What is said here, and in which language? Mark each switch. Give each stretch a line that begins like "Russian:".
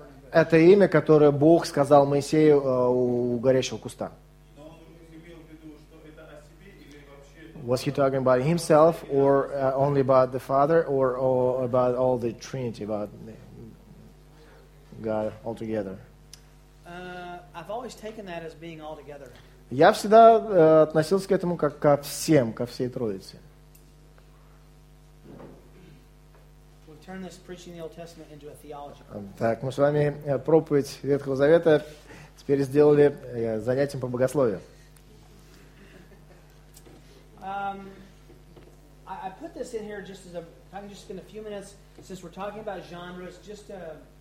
Russian: Это имя, которое Бог сказал Моисею у горящего куста.
English: Was he talking about himself or only about the Father or about all the Trinity, about God altogether? I've always taken that as being all together.
Russian: Я всегда относился к этому как ко всем, ко всей Троице.
English: We'll turn this preaching the Old Testament into a theology.
Russian: Так, мы с вами проповедь Ветхого Завета теперь сделали занятием по богословию.
English: I put this in here just as a, I'm just spend a few minutes since we're talking about genres, just to